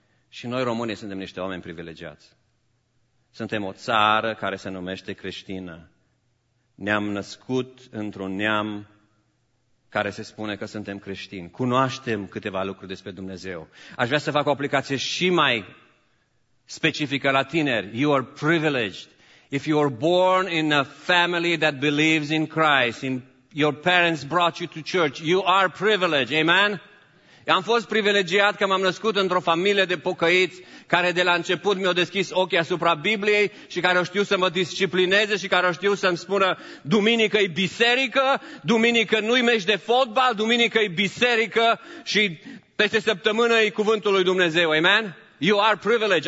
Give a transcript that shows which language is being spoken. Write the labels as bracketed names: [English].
[Romanian] Și noi românii suntem niște oameni privilegiați. Suntem o țară care se numește creștină. Ne-am născut într-un neam care se spune că suntem creștini. Cunoaștem câteva lucruri despre Dumnezeu. Aș vrea să fac o aplicație și mai specifică la tineri. [English] You are privileged. If you are born in a family that believes in Christ, in your parents brought you to church, you are privileged. [Romanian] Amen? Am fost privilegiat că m-am născut într-o familie de pocăiți care de la început mi-au deschis ochii asupra Bibliei și care o știu să mă disciplineze și care o știu să-mi spună duminică e biserică, duminică nu-i meci de fotbal, duminică e biserică și peste săptămână e cuvântul lui Dumnezeu. Amen? [English] You are privileged.